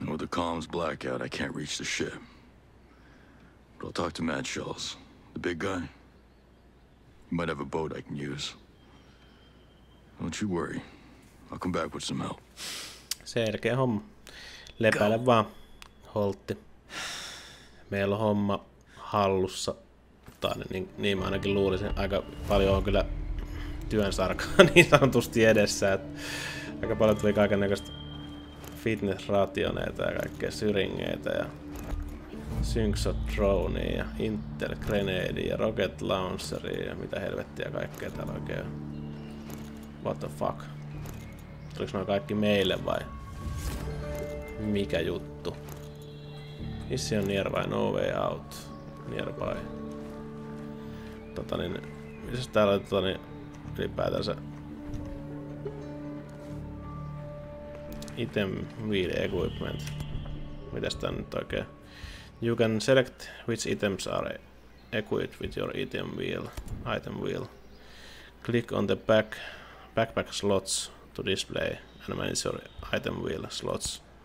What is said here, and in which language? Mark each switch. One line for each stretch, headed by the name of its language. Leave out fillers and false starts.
English: comms blackout, I can't reach the ship. But I'll talk to Matt Schultz, the big guy. He might have a boat I can use. Don't you worry. I'll come back with some help.
Finnish: Selkeä homma. Lepäile vaan, Holtti. Meillä on homma hallussa. Tai niin mä ainakin luulisin. Aika paljon on kyllä työn sarkaa niin sanotusti edessä. Et aika paljon tuli kaikennäköistä fitness-rationeita ja kaikkea syringeitä. Ja synksodronea ja intergreneidiä ja rocket launcheria ja mitä helvettiä kaikkea täällä oikein.
English: What the fuck?
Finnish: Tuliko nämä kaikki meille vai mikä juttu? Missä on nearby, no way out, nearby. Totani, missä täällä on totani ylipäätänsä item wheel equipment. Mitäs tää nyt oikein?
English: You can select which items are equipped with your item wheel. Click on the backpack slots to display and manage your item wheel slots.